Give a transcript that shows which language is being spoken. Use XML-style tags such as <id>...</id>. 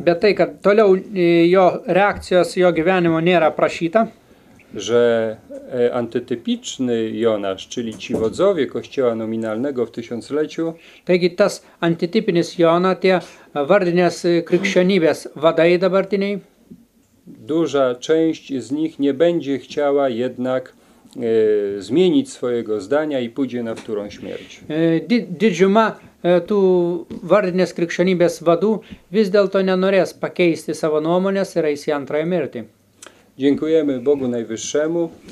<lt>Bet tai, kad toliau jo reakcijos, jo gyvenimo nėra prašyta.</lt> <pl>Że antytypiczny Jonasz, czyli ci wodzowie kościoła nominalnego w tysiącleciu.</pl> <lt>Taigi tas antytypinis Jona, tie vardinės krikščionybės vadai dabartiniai.</lt> <pl>Duża część z nich nie będzie chciała jednak zmienić swojego zdania i pójdzie na wtórą śmierć.</pl> <lt>Didžiuma tų vardinės krikščionybės vadų vis dėlto nenorės pakeisti savo nuomonės ir eis į antrąją mirtį.</lt> <pl>Dziękujemy Bogu Najwyższemu.</pl>